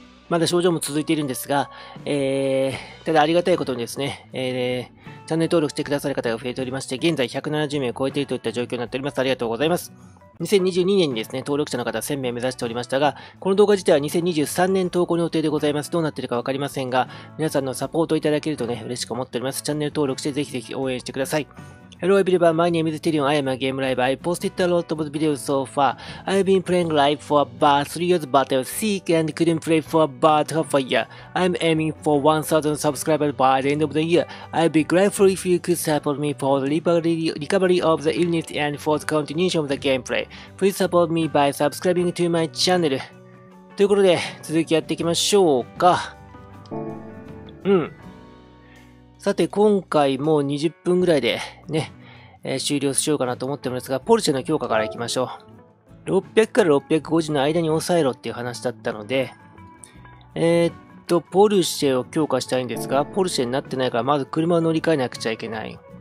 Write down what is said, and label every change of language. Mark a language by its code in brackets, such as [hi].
[ja] まだ症状も続いているんですが、ただありがたいことにですね、チャンネル登録してくださる方が増えておりまして、現在170名を超えているといった状況になっております。ありがとうございます。 2022年にですね、登録者の方1000名目指しておりましたが、この動画自体は2023年投稿の予定でございます。どうなっているかわかりませんが、皆さんのサポートをいただけるとね、嬉しく思っております。チャンネル登録してぜひぜひ応援してください。 [en] Hello everybody, my name is Terion, I am a game live, I posted a lot of videos so far. I've been playing live for about 3 years, but I was sick and couldn't play for about half a year. I'm aiming for 1000 subscribers by the end of the year. I'd be grateful if you could support me for the recovery of the illness and for the continuation of the gameplay. Please support me by subscribing to my channel. [ja] ということで、続きやっていきましょうか。うん。さて、今回も20分ぐらいでね、終了しようかなと思ってますが、ポルシェの強化からいきましょう。 600から650の間に抑えろっていう話だったので、ポルシェを強化したいんですが、ポルシェになってないから、まず車を乗り換えなくちゃいけない。